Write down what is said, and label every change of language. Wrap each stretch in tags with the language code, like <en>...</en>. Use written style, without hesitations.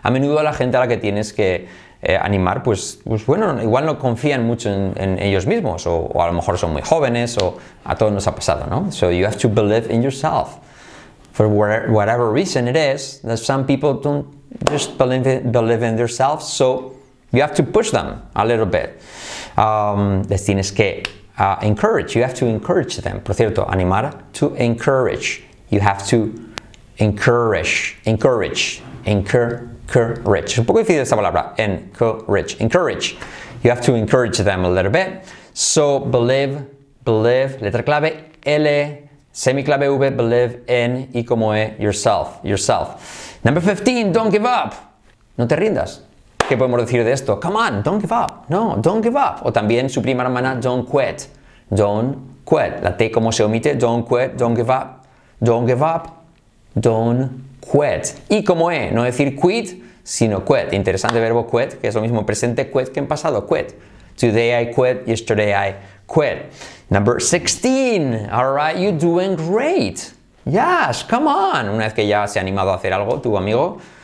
<es>A menudo la gente a la que tienes que animar, pues bueno, igual no confían mucho en ellos mismos, o a lo mejor son muy jóvenes, o a todos nos ha pasado, ¿no?</es> <en>So you have to believe in yourself. For whatever reason it is, that some people don't just believe in themselves, so you have to push them a little bit. Les tienes que encourage, you have to encourage them. Por cierto, animar, to encourage, you have to encourage, encourage, encourage.</en> <es>Un poco difícil esta palabra. Encourage, encourage.</es> <en>You have to encourage them a little bit. So, believe, believe, letra clave L, semiclave V, believe in, y como E, yourself, yourself.</en> <es>Number 15, don't give up. No te rindas. ¿Qué podemos decir de esto?</es> <en>Come on, don't give up. No, don't give up. O también su prima hermana, don't quit. Don't quit. La T como se omite, don't quit, don't give up, don't give up. Don't quit.</en> <es>Y como E, no decir quit, sino quit. Interesante verbo quit, que es lo mismo presente quit que en pasado quit.</es> <en>Today I quit, yesterday I quit. Number 16. All right, you're doing great. Yes, come on.</en> <es>Una vez que ya se ha animado a hacer algo, tu amigo.</es>